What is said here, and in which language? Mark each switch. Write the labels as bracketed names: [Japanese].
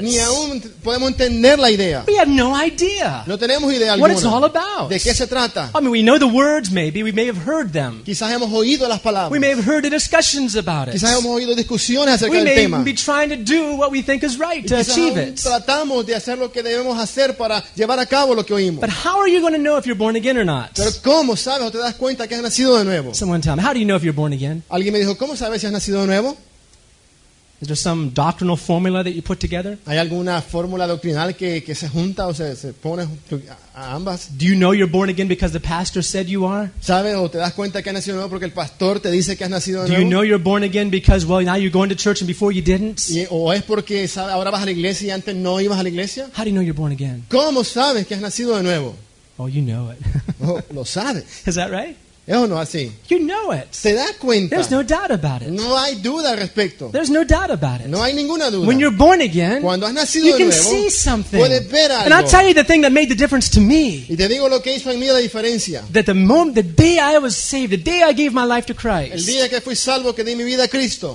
[Spanish] Ni aún podemos entender la idea. [English] We have no idea. [Spanish] No tenemos idea alguna. [English] What it's all about. [Spanish] ¿De qué se trata? [English] I mean, we know the words maybe. We may have heard them. [Spanish] Quizás hemos oído las palabras. [English] We may have heard the discussions about it. [Spanish] Quizás hemos oído discusiones acerca [English] we may even be trying to do what we think is right to achieve it. [Spanish] Tratamos de hacer lo que debemos hacer para llevar a cabo lo que oímos. [English] But how are you going to know if you're born again or not? [Spanish] Pero ¿cómo sabes o te das cuenta que has nacido de nuevo? [English] Someone tell me, how do you know if you're born again? [Spanish] Alguien me dijo, ¿cómo sabes si has nacido de nuevo? [English] Is there some doctrinal formula that you put together? [Spanish] ¿Hay alguna fórmula doctrinal que se junta o se pone a ambas? [English] Do you know you're born again because the pastor said you are? [Spanish] ¿Sabes o te das cuenta que has nacido nuevo porque el pastor te dice que has nacido nuevo? [English] Do you know you're born again because well now you're going to church and before you didn't? [Spanish] ¿O es porque sabes ahora vas a la iglesia y antes no ibas a la iglesia? [English] How do you know you're born again? [Spanish] ¿Cómo sabes que has nacido de nuevo? [English] Oh, you know it. [Spanish] Oh, lo sabes. [English] Is that right? [Spanish] ¿Es o no así? [English] You know it. [Spanish] ¿Te das cuenta? [English] There's no doubt about it. [Spanish] No hay duda al respecto. [English] There's no doubt about it. [Spanish] No hay ninguna duda. [English] When you're born again, [Spanish] cuando has nacido [English] you can [Spanish] de nuevo, [English] see something. [Spanish] Puedes ver algo. [English] And I'll tell you the thing that made the difference to me. [Spanish] Y te digo lo que hizo en mí la diferencia. [English] That the moment, the day I was saved, the day I gave my life to Christ. [Spanish] El día que fui salvo, que di mi vida a Cristo.